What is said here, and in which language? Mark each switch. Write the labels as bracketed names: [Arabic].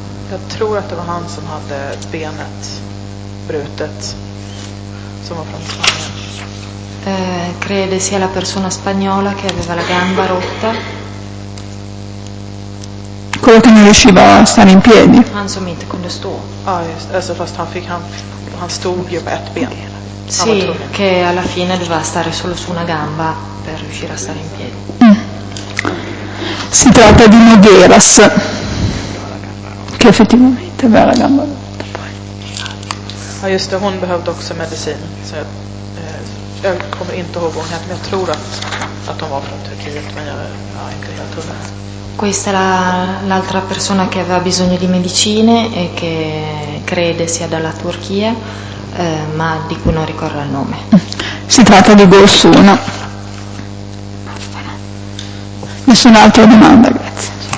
[Swedish] Jag tror att det var han som hade benet brutet, som var från Spanien. [Italian] Crede sia la persona spagnola che aveva la gamba rotta. Quello che non riusciva a stare in piedi. [Swedish] Han som inte kunde stå. Ja, just, fast han stod ju på ett ben. [Italian] Sì, che alla fine doveva stare solo su una gamba per riuscire a stare in piedi. Si tratta di Nogueras, che effettivamente aveva la gamba rotta. [Swedish] Ja, just det, hon behövde också medicin. Så jag kommer inte ihåg vad hon hette, men jag tror att hon var från Turkiet, men jag är inte helt hundra. [Italian] Questa è l'altra persona che aveva bisogno di medicine e che crede sia dalla Turchia, ma di cui non ricordo il nome. Si tratta di Gosun. Nessuna altra domanda, grazie.